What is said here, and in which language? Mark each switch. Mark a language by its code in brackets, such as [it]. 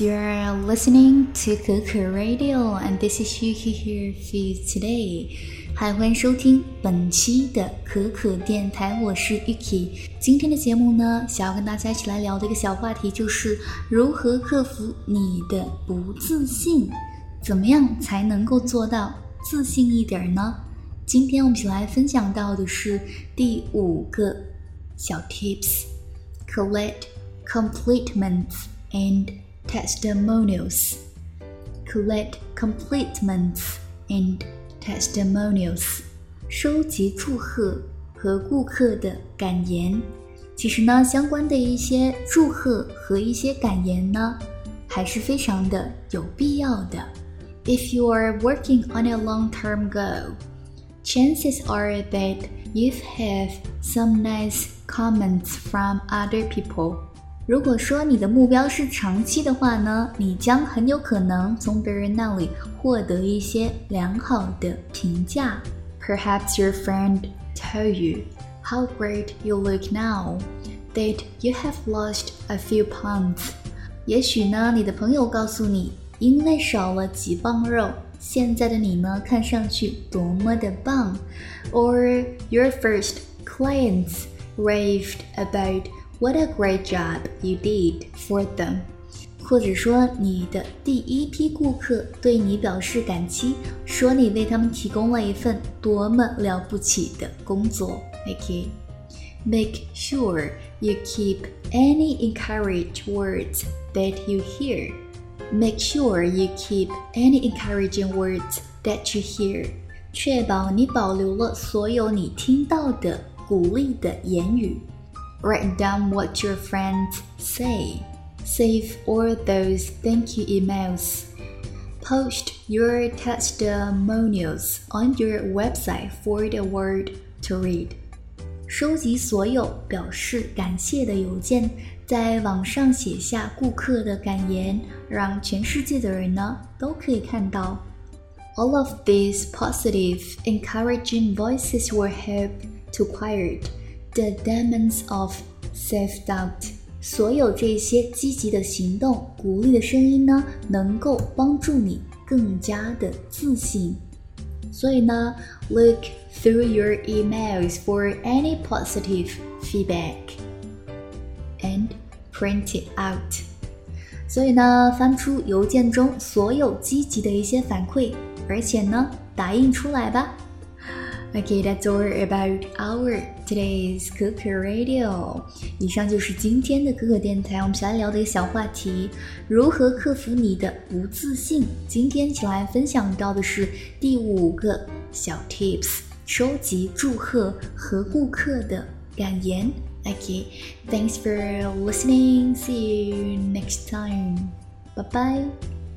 [en] You are listening to Kuku Radio, and this is Yuki here for you today. [zh] 欢迎收听本期的可可电台，我是 Yuki。今天的节目呢，想要跟大家一起来聊的一个小话题，就是如何克服你的不自信，怎么样才能够做到自信一点呢？今天我们一起来分享到的是第五个小 tips， [en] collect compliments and testimonials. Collect compliments and testimonials. [zh] 收集祝贺和顾客的感言。其实呢，相关的一些祝贺和一些感言呢，还是非常的有必要的。 [en] If you are working on a long-term goal, chances are that you've had some nice comments from other people. [zh] 如果说你的目标是长期的话呢，你将很有可能从别人那里获得一些良好的评价。 [en] Perhaps your friend told you how great you look now, that you have lost a few pounds. [zh] 也许呢，你的朋友告诉你，因为少了几磅肉，现在的你呢，看上去多么的棒。 [en] Or your first clients raved about what a great job you did for them. [zh] 或者说你的第一批顾客对你表示感激，说你为他们提供了一份多么了不起的工作。 [en] Okay. Make sure you keep any encouraging words that you hear. Make sure you keep any encouraging words that you hear. [zh] 确保你保留了所有你听到的鼓励的言语。 [en] Write down what your friends say. Save all those thank you emails. Post your testimonials on your website for the world to read. [zh] 收集所有表示感谢的邮件，在网上写下顾客的感言，让全世界的人呢都可以看到。 [en] All of these positive, encouraging voices will help to quiet the demons of self-doubt. [zh] 所有这些积极的行动，鼓励的声音呢，能够帮助你更加的自信。所以呢， [en] look through your emails for any positive feedback and print it out. [zh] 所以呢，翻出邮件中所有积极的一些反馈，而且呢，打印出来吧。 [en] Okay, that's all about our today's Kuku Radio. [zh] 以上就是今天的 Kuku 电台，我们想来聊的一个小话题，如何克服你的不自信。今天起来分享到的是第五个小 tips， 收集祝贺和顾客的感言。 [en] Okay, thanks for listening. See you next time. Bye-bye.